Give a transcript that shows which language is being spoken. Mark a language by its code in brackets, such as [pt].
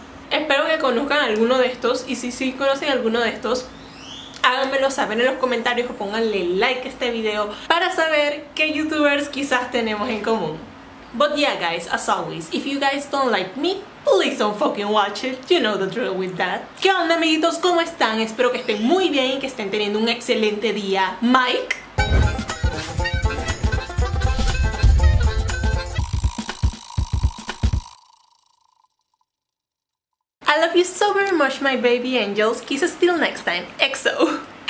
[es] Espero que conozcan alguno de estos, y si sí conocen alguno de estos, háganmelo saber en los comentarios o pónganle like a este video para saber qué youtubers quizás tenemos en común. [en] But yeah guys, as always, if you guys don't like me, please don't fucking watch it, you know the drill with that. [es] ¿Qué onda amiguitos? ¿Cómo están? Espero que estén muy bien y que estén teniendo un excelente día. Mike. [en] I love you so very much, my baby angels. Kisses till next time. EXO.